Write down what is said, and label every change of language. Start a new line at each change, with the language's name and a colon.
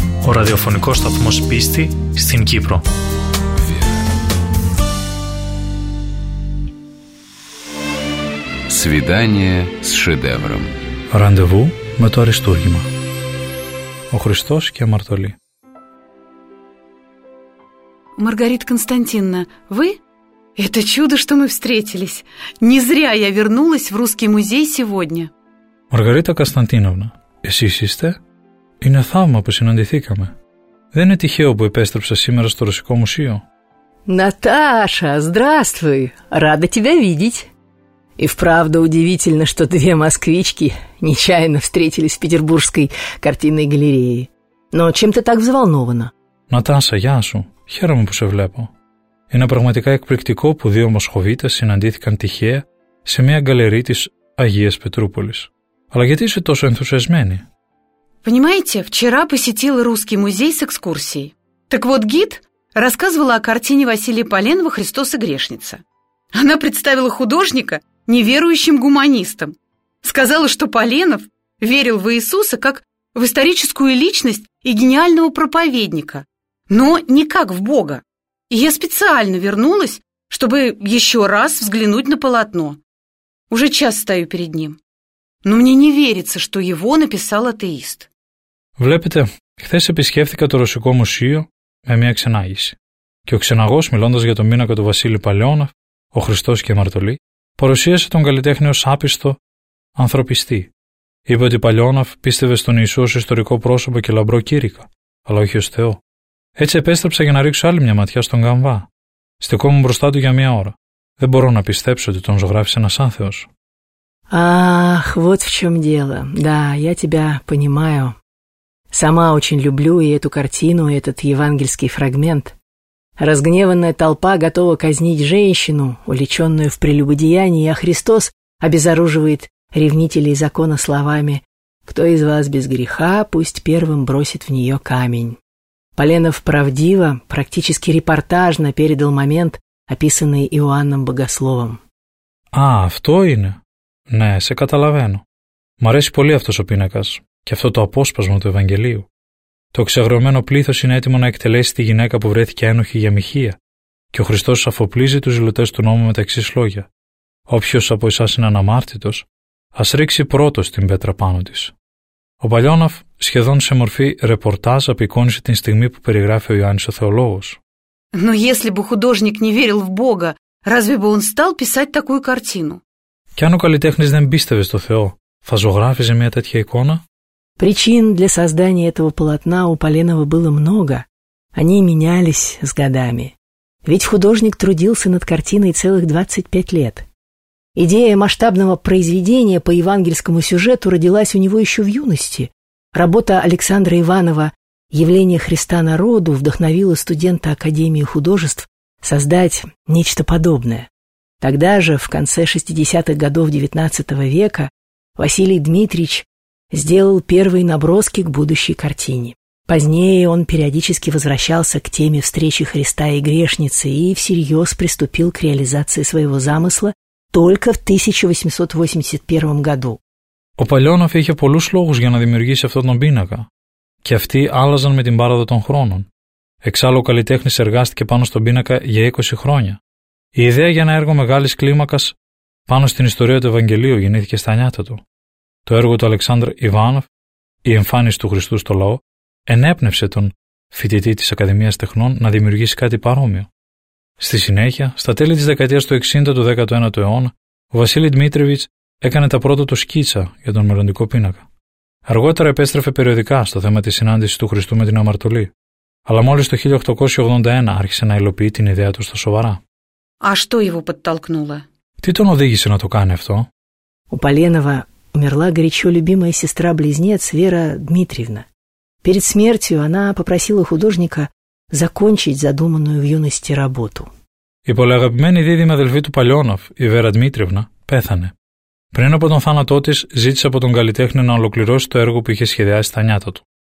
Greek: Ο ραδιοφωνικός σταθμός πίστη στην Κύπρο.
Russian: Свидание с шедевром.
Greek: Ραντεβού με το αριστούργημα. Ο Χριστός και Αμαρτωλή.
Russian: Маргарита Константиновна, вы? Это чудо, что мы встретились. Не зря я вернулась в русский музей сегодня.
Greek: Маргарита Константиновна, εσείς είστε? Είναι θαύμα που συναντηθήκαμε. Δεν είναι τυχαίο που επέστρεψα σήμερα στο Ρωσικό Μουσείο.
Russian: Наташа, здравствуй. Рада тебя видеть. И вправду удивительно, что две москвички нечаянно встретились в Петербургской картинной галерее. Но чем ты так взволнована?
Greek: Наташа, γεια σου. Χαίρομαι που σε βλέπω. Είναι πραγματικά εκπληκτικό που δύο Μοσχοβίτες συναντήθηκαν τυχαία σε μια γαλερία της Αγίας Πετρούπολης. Αλλά γιατί είσαι τόσο ενθουσιασμένη?
Russian: Понимаете, вчера посетила русский музей с экскурсией. Так вот, гид рассказывала о картине Василия Поленова «Христос и грешница». Она представила художника неверующим гуманистом. Сказала, что Поленов верил в Иисуса как в историческую личность и гениального проповедника, но не как в Бога. И я специально вернулась, чтобы еще раз взглянуть на полотно. Уже час стою перед ним. Но мне не верится, что его написал атеист.
Greek: Βλέπετε, χθες επισκέφθηκα το Ρωσικό Μουσείο με μια ξενάγηση. Και ο ξεναγός, μιλώντας για τον μήνακα του Βασίλη Παλαιώναφ, ο Χριστός και η Αμαρτωλή, παρουσίασε τον καλλιτέχνη ως άπιστο ανθρωπιστή. Είπε ότι Παλαιώναφ πίστευε στον Ιησού ως ιστορικό πρόσωπο και λαμπρό κήρυκα, αλλά όχι ως Θεό. Έτσι επέστρεψα για να ρίξω άλλη μια ματιά στον καμβά. Στεκόμουν μπροστά του για μια ώρα. Δεν μπορώ να πιστέψω ότι τον ζωγράφισε ένας άθεος.
Russian: Αχ, вот в чём дело. Да, я тебя понимаю. Сама очень люблю и эту картину, и этот евангельский фрагмент. Разгневанная толпа готова казнить женщину, увлеченную в прелюбодеянии, а Христос обезоруживает ревнителей закона словами «Кто из вас без греха, пусть первым бросит в нее камень». Поленов правдиво, практически репортажно передал момент, описанный Иоанном Богословом.
Greek: А, в то и не? Не, се каталавену.
Russian: Мне нравится очень этот
Greek: пинакас. και αυτό το απόσπασμα του Ευαγγελίου. Το ξεγρωμένο πλήθος είναι έτοιμο να εκτελέσει τη γυναίκα που βρέθηκε ένοχη για μοιχεία, και ο Χριστός αφοπλίζει τους ζηλωτές του νόμου με τα εξής λόγια: «Όποιος από εσάς είναι αναμάρτητος, ας ρίξει πρώτος την πέτρα πάνω της». Ο Παλιώναφ, σχεδόν σε μορφή ρεπορτάζ, απεικόνισε την στιγμή που περιγράφει ο Ιωάννης ο Θεολόγος.
Russian: Но если бы художник не верил в Бога, разве бы он стал писать такую картину?
Greek: Κι αν ο καλλιτέχνης δεν πίστευε στο Θεό, θα ζωγράφιζε μια τέτοια εικόνα?
Russian: Причин для создания этого полотна у Поленова было много. Они менялись с годами. Ведь художник трудился над картиной целых 25 лет. Идея масштабного произведения по евангельскому сюжету родилась у него еще в юности. Работа Александра Иванова «Явление Христа народу» вдохновило студента Академии художеств создать нечто подобное. Тогда же, в конце 60-х годов XIX века, Василий Дмитриевич сделал первые наброски к будущей картине. Позднее он периодически возвращался к теме встречи Христа и грешницы и всерьез приступил к реализации своего замысла только в 1881 году.
Greek: Ο Παλιώναφ είχε πολλούς λόγους για να δημιουργήσει αυτόν τον πίνακα. Και αυτοί άλλαζαν με την πάροδο των χρόνων. Εξάλλου, ο καλλιτέχνης εργάστηκε πάνω στον πίνακα για 20 χρόνια. Η ιδέα για ένα έργο μεγάλης κλίμακας πάνω στην ιστορία του Ευαγγελίου γεννήθηκε στα νιάτα του. Το έργο του Αλεξάνδρ Ιβάνοφ, «Η εμφάνιση του Χριστού στο λαό», ενέπνευσε τον φοιτητή της Ακαδημίας Τεχνών να δημιουργήσει κάτι παρόμοιο. Στη συνέχεια, στα τέλη της δεκαετίας του 60 του 19ου αιώνα, ο Βασίλη Δημήτριβιτς έκανε τα πρώτα του σκίτσα για τον μελλοντικό πίνακα. Αργότερα επέστρεφε περιοδικά στο θέμα της συνάντησης του Χριστού με την αμαρτωλή. Αλλά μόλις το 1881 άρχισε να υλοποιεί την ιδέα του στα σοβαρά.
Russian: А что его подтолкнуло?
Greek: Τι τον οδήγησε να το κάνει αυτό?
Russian: У Поленова умерла горячо любимая сестра-близнец Вера Дмитриевна. Перед смертью она попросила художника закончить задуманную в юности работу.
Greek: Η πολυαγαπημένη δίδυμη αδελφή του Παλιώναφ, η Βέρα Δημήτριευνα, πέθανε. Πριν από τον θάνατό της, ζήτησε από τον καλλιτέχνη να ολοκληρώσει το έργο που είχε σχεδιάσει στα νιάτα του.